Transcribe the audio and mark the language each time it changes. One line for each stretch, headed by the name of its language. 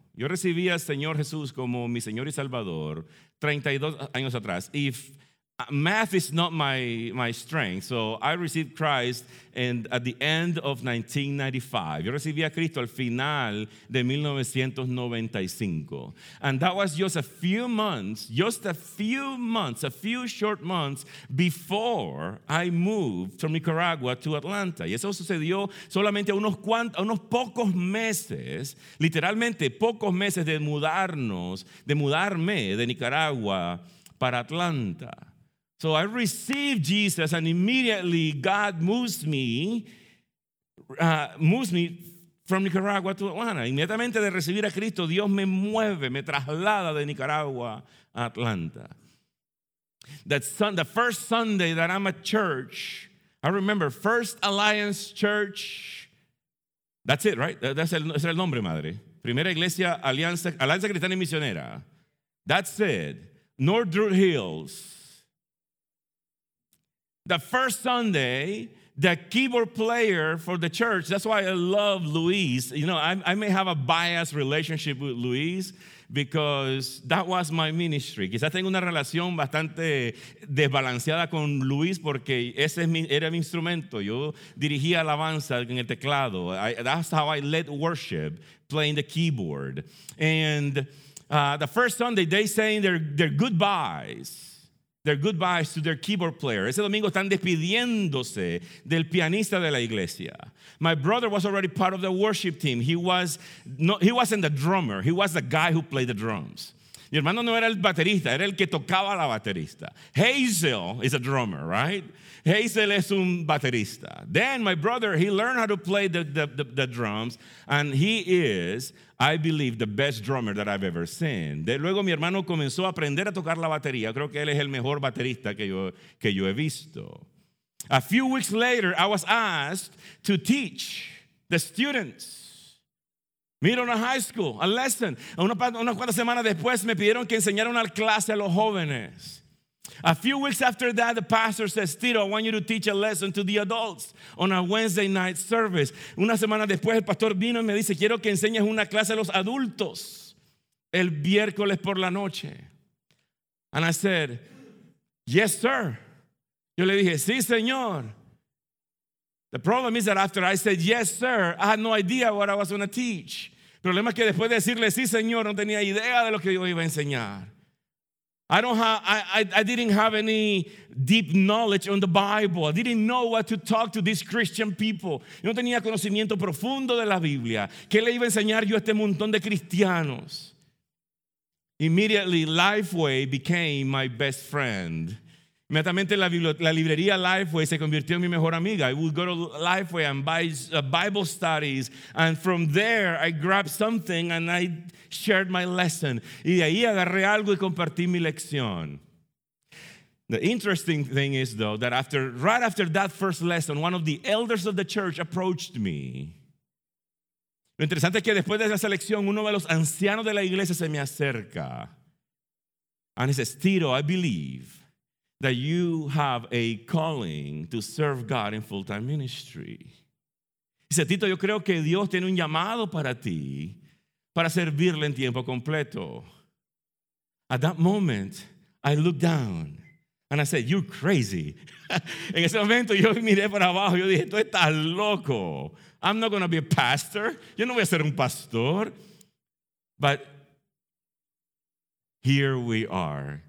Spanish: Yo recibí al Señor Jesús como mi Señor y Salvador 32 años atrás.
English: If math is not my strength, so I received Christ at the end of 1995.
Spanish: Yo recibí a Cristo al final de 1995.
English: And that was just a few short months before I moved from Nicaragua to Atlanta.
Spanish: Y eso sucedió solamente a unos pocos meses, literalmente pocos meses de mudarme de Nicaragua
English: para Atlanta. So I received Jesus, and immediately God moves me from Nicaragua to Atlanta.
Spanish: Inmediatamente de recibir a Cristo, Dios me mueve, me traslada de Nicaragua a Atlanta.
English: The first Sunday that I'm at church, I remember First Alliance Church. That's it, right? That's
Spanish: el nombre, madre.
English: Primera Iglesia Alianza Cristiana y Misionera. That's it. Northridge Hills. The first Sunday, the keyboard player for the church, that's why I love Luis. You know, I may have a biased relationship with Luis because that was my ministry.
Spanish: Quizás tengo una relación bastante desbalanceada con Luis porque ese era mi instrumento. Yo dirigía alabanza en el teclado.
English: That's how I led worship, playing the keyboard. And the first Sunday, they saying their goodbyes. Their goodbyes to their keyboard player.
Spanish: Ese domingo están despidiéndose del pianista de la iglesia.
English: My brother was already part of the worship team. He wasn't the drummer. He was the guy who played the drums.
Spanish: Mi hermano no era el baterista, era el que tocaba la baterista.
English: Hazel is a drummer, right?
Spanish: Hazel es un baterista.
English: Then my brother, he learned how to play the drums, and he is, I believe, the best drummer that I've ever seen.
Spanish: De luego mi hermano comenzó a aprender a tocar la batería. Creo que él es el mejor baterista que yo he visto.
English: A few weeks later, I was asked to teach the students.
Spanish: Miren,
English: a high school, a lesson.
Spanish: Unas cuantas semanas después me pidieron que enseñara una clase a los jóvenes.
English: A few weeks after that, the pastor says, Tito, I want you to teach a lesson to the adults on a Wednesday night service.
Spanish: Una semana después el pastor vino y me dice, quiero que enseñes una clase a los adultos el miércoles por la noche.
English: And I said, yes, sir.
Spanish: Yo le dije, sí, señor.
English: The problem is that after I said, yes, sir, I had no idea what I was going to teach.
Spanish: El problema es que después de decirle, sí, señor, no tenía idea de lo que yo iba a enseñar.
English: I didn't have any deep knowledge on the Bible. I didn't know what to talk to these Christian people.
Spanish: Yo no tenía conocimiento profundo de la Biblia. ¿Qué le iba a enseñar yo a este montón de cristianos?
English: Immediately, Lifeway became my best friend.
Spanish: Inmediatamente la librería Lifeway se convirtió en mi mejor amiga.
English: I would go to Lifeway and buy Bible studies. And from there, I grabbed something and I shared my lesson.
Spanish: Y de ahí agarré algo y compartí mi lección.
English: The interesting thing is, though, that right after that first lesson, one of the elders of the church approached me.
Spanish: Lo interesante es que después de esa lección, uno de los ancianos de la iglesia se me acerca.
English: And he says, Tito, I believe that you have a calling to serve God in full-time ministry.
Spanish: Dice, Tito, yo creo que Dios tiene un llamado para ti para servirle en tiempo completo.
English: At that moment, I looked down and I said, you're crazy.
Spanish: En ese momento, yo miré para abajo. Yo dije, tú estás loco.
English: I'm not going to be a pastor.
Spanish: Yo no voy a ser un pastor.
English: But here we are.